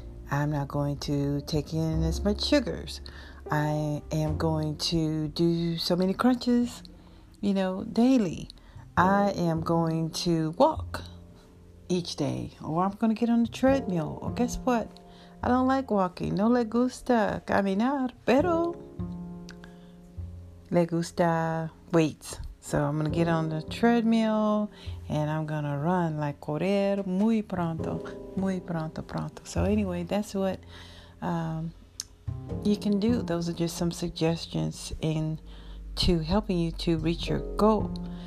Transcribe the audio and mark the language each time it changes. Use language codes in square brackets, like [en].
[en] I'm not going to take in as much sugars. I am going to do so many crunches, you know, daily. I am going to walk each day, or I'm going to get on the treadmill, or guess what? I don't like walking. [es] No le gusta caminar, pero le gusta [en] weights. So I'm going to get on the treadmill, and I'm going to run, like [es] correr muy pronto. [en] So anyway, that's what you can do. Those are just some suggestions in to helping you to reach your goal.